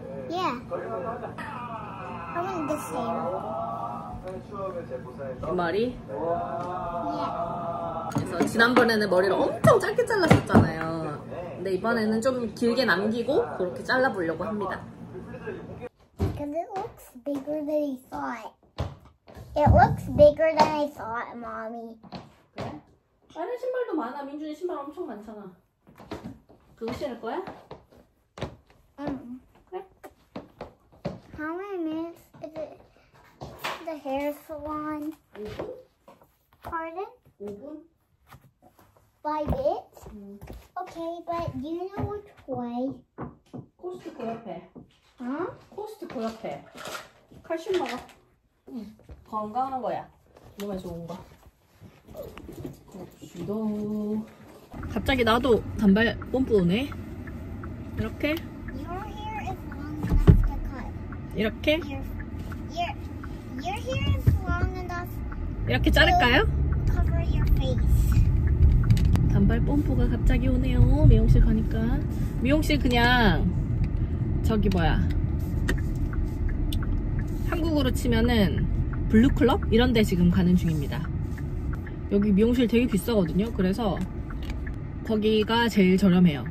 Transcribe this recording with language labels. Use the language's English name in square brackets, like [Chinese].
[English] 예. Yeah. I want this hair. [Korean] 이 머리? [English] 예. Yeah. [Korean] 그래서 지난번에는 머리를 엄청 짧게 잘랐었잖아요. 근데 이번에는 좀 길게 남기고 그렇게 잘라보려고 합니다. [English] because it looks bigger than I thought. It looks bigger than I thought, mommy. [Korean] 그래? 다른 신발도 많아. 민준이 신발 엄청 많잖아. 그거 신을 거야? 응. 그래? [English] How many minutes is it? The hair salon? [Korean] 5분? [English] Pardon? [Korean] 5분? [English] 5 minutes? 응. Okay, but do you know which way? [Korean] 코스트코 옆에. 응? 코스트코 옆에. 칼슘 먹어. 응. 건강한 거야. 몸에 좋은 거. 갑시다. 갑자기 나도 단발 뽐뿌 오네. 이렇게. [English] Your hair is long enough to cut. [Korean] 이렇게? [English] Your hair is long enough. [Korean] 이렇게 자를까요? [English] Cover your face. [Korean] 단발 뽐뿌가 갑자기 오네요. 미용실 가니까. 미용실 그냥 저기 뭐야? 한국으로 치면은 블루클럽 이런 데 지금 가는 중입니다. 여기 미용실 되게 비싸거든요. 그래서 거기가 제일 저렴해요.